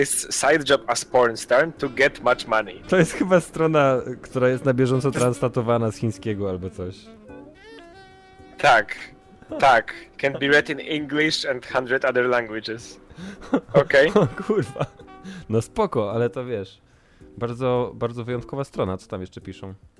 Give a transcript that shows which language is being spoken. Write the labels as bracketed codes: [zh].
[en] Side job as porn star to get much money. [pl] To jest chyba strona, która jest na bieżąco translatowana z chińskiego albo coś. Tak, tak. [en] Can be read in English and 100 other languages. [pl] Okej. [en] Okay. [pl] Kurwa. No spoko, ale to wiesz. Bardzo, bardzo wyjątkowa strona, co tam jeszcze piszą.